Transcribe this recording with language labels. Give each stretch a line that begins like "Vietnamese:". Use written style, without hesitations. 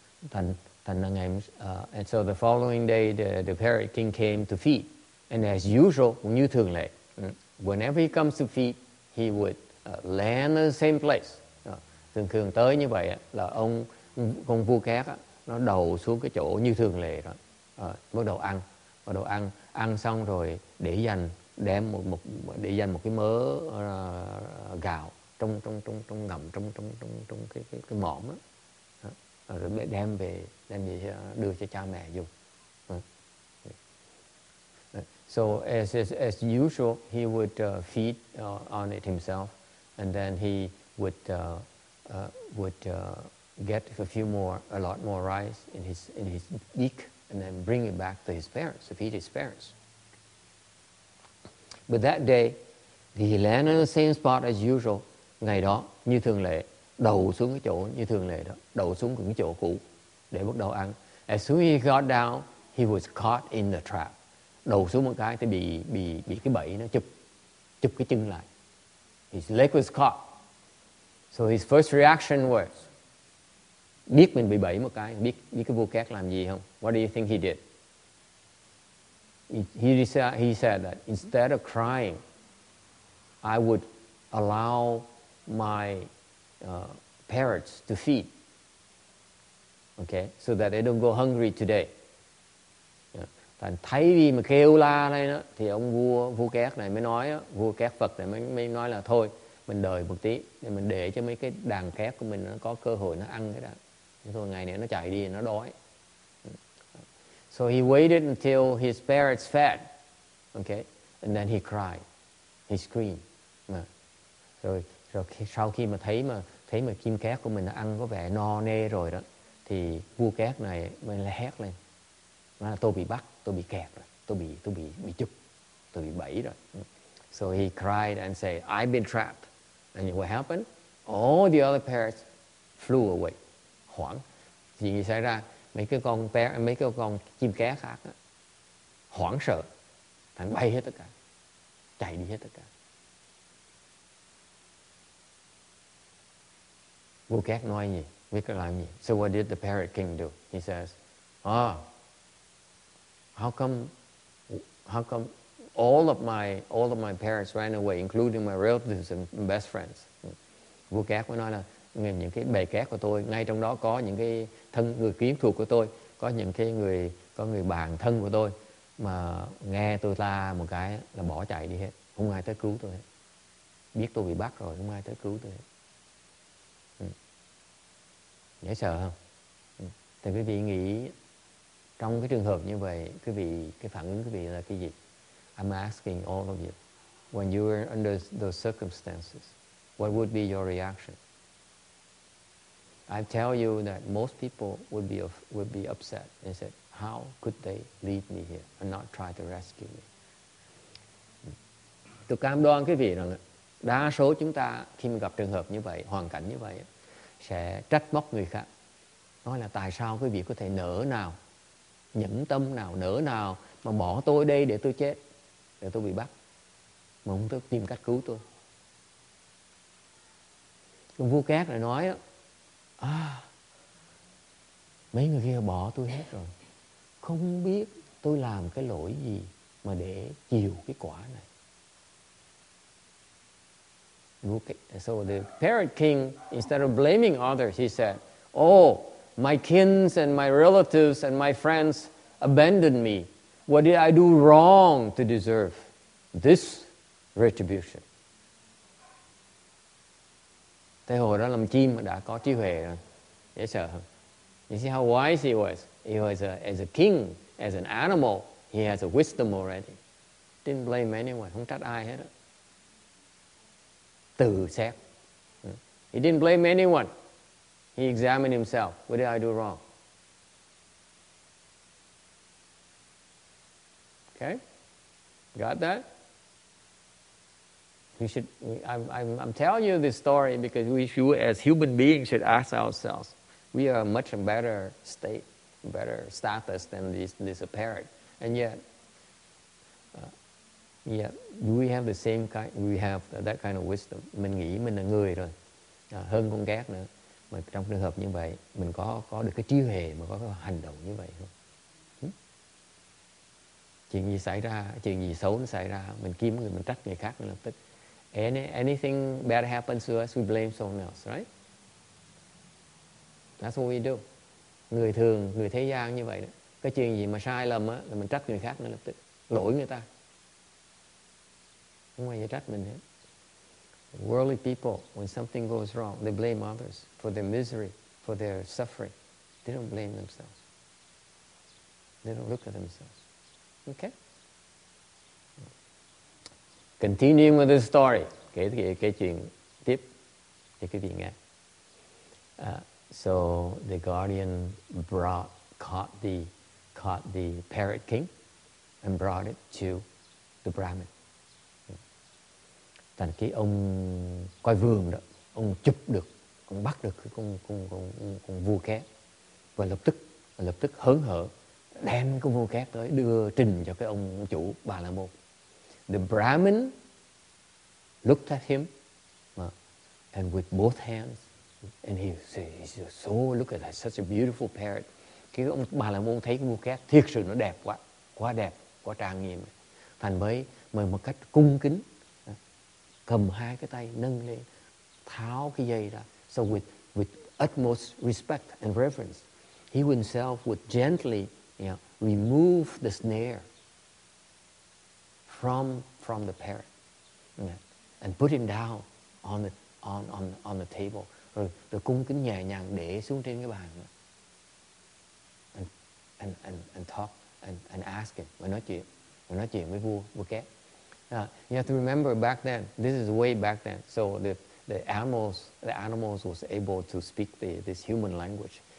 Vietnamese: Thành là ngày
English: and so the following day the parrot king came to feed, and as usual,
Vietnamese: như thường lệ,
English: whenever he comes to feed, he would land in the same place.
Vietnamese: Thường tới như vậy là ông con vua két nó đầu xuống cái chỗ như thường lệ đó, bắt đầu ăn xong rồi để dành một cái mớ gạo trong ngầm trong cái mõm đó, rồi đem về đưa cho cha mẹ dùng.
English: So as usual, he would feed on it himself, and then he would get a lot more rice in his beak, and then bring it back to his parents to feed his parents. But that day, he landed in the same spot as usual.
Vietnamese: Ngày đó, như thường lệ, đầu xuống cái chỗ như thường lệ đó, đầu xuống cái chỗ cũ để bắt đầu ăn.
English: As soon as he got down, he was caught in the trap.
Vietnamese: Đầu xuống một cái thì bị cái bẫy nó chụp cái chân lại.
English: His leg was caught. So his first reaction was,
Vietnamese: biết mình bị bẫy một cái, biết cái vua két làm gì không?
English: What do you think he did? He said that instead of crying, I would allow my parrots to feed, okay, so that they don't go hungry today. Yeah.
Vietnamese: Thay vì mà kêu la này đó, thì ông vua két này mới nói, vua két Phật này mới nói là thôi, mình đợi một tí để mình để cho mấy cái đàn két của mình nó có cơ hội nó ăn cái đó. Thôi ngày này nó chạy đi nó đói.
English: So he waited until his parrots fed, okay, and then he cried, he screamed.
Vietnamese: Rồi sau khi mà thấy mà chim két của mình ăn có vẻ no nê rồi đó, thì vua két này mới hét lên, nói là tôi bị bắt, tôi bị kẹt rồi, tôi bị chụp, tôi bị bẫy rồi.
English: So he cried and said, I've been trapped. And what happened? All the other parrots flew away.
Vietnamese: Hoảng. Chuyện gì xảy ra? Mấy cái con chim két khác đó, hoảng sợ, thằng bay hết tất cả, chạy đi hết tất cả. Vua két nói gì? Biết cái làm gì?
English: So what did the parrot king do? He says, how come all of my parents ran away, including my relatives and best friends?
Vietnamese: Vua két mới nói là những cái bầy két của tôi, ngay trong đó có những cái thân người kiếm thuộc của tôi, có những cái người, có người bạn thân của tôi mà nghe tôi la một cái là bỏ chạy đi hết, không ai tới cứu tôi hết. Biết tôi bị bắt rồi, không ai tới cứu tôi hết. Dễ sợ không? Thì quý vị nghĩ Trong cái trường hợp như vậy, quý vị, cái phản ứng quý vị là cái gì?
English: I'm asking all of you, when you were under those circumstances, what would be your reaction? I tell you that most people would be upset and said, how could they leave me here and not try to rescue me?
Vietnamese: Tôi cam đoan quý vị rằng đa số chúng ta khi mà gặp trường hợp như vậy, hoàn cảnh như vậy, sẽ trách móc người khác. Nói là tại sao quý vị có thể nỡ nào, nhẫn tâm nào, nỡ nào mà bỏ tôi đây để tôi chết, để tôi bị bắt, mà không tôi tìm cách cứu tôi. Còn vua két lại nói, mấy người kia bỏ tôi hết rồi, không biết tôi làm cái lỗi gì mà để chịu cái quả này.
English: So the parrot king, instead of blaming others, he said, oh, my kins and my relatives and my friends abandoned me. What did I do wrong to deserve this retribution?
Vietnamese: Thế hồi đó làm chim đã có trí huệ rồi. Dễ sợ không?
English: You see how wise he was? He was as a king, as an animal, he has a wisdom already. Didn't blame anyone.
Vietnamese: Không trách ai hết. Tự xét.
English: He didn't blame anyone. He examined himself. What did I do wrong? Okay? Got that? I'm telling you this story because we should, as human beings, should ask ourselves. We are much better state, better status than this apparent. And yet, we have the same kind, we have that kind of wisdom.
Vietnamese: Mình nghĩ mình là người rồi, hơn con két nữa. Mà trong trường hợp như vậy, mình có được cái trí huệ mà có cái hành động như vậy không? Chuyện gì xảy ra, chuyện gì xấu nó xảy ra, mình kiếm người, mình trách người khác lập tức.
English: Anything bad happens to us, we blame someone else, right? That's what we do.
Vietnamese: Người thường, người thế gian như vậy đó. Cái chuyện gì mà sai lầm á, là mình trách người khác nữa lập tức. Lỗi người ta. Không ai trách mình hết.
English: Worldly people, when something goes wrong, they blame others for their misery, for their suffering. They don't blame themselves. They don't look at themselves. Okay? Continuing with the story.
Vietnamese: Cái chuyện tiếp để quý vị nghe.
English: So the guardian caught the parrot king and brought it to the Brahmin.
Vietnamese: Thành cái ông coi vườn đó, ông chụp được, ông bắt được cái con vua két. Và lập tức hớn hở đem cái vua két tới đưa trình cho cái ông chủ Bà La Môn.
English: The Brahmin looked at him and with both hands, and he said, so look at that, such a beautiful parrot.
Vietnamese: Cái ông Bà La Môn thấy cái vua két thiệt sự nó đẹp quá, quá đẹp, quá trang nghiêm. Thành mới mời một cách cung kính, cầm hai cái tay nâng lên, tháo cái dây ra.
English: So with utmost respect and reverence, he himself would gently, remove the snare from the parrot, and put him down on the table.
Vietnamese: Rồi cung kính nhẹ nhàng để xuống trên cái bàn.
English: And talk and ask him.
Vietnamese: Và nói chuyện với vua két.
English: You have to remember back then, this is way back then, so the animals was able to speak this human language.